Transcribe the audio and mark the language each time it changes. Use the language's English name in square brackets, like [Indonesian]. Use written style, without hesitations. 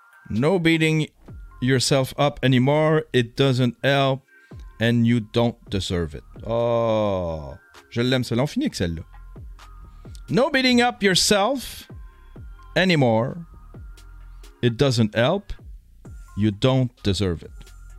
[English] No beating yourself up anymore, it doesn't help, and you don't deserve it. [French] Oh, je l'aime, celle-là. On finit avec celle-là. [English] No beating up yourself anymore, it doesn't help, you don't deserve it.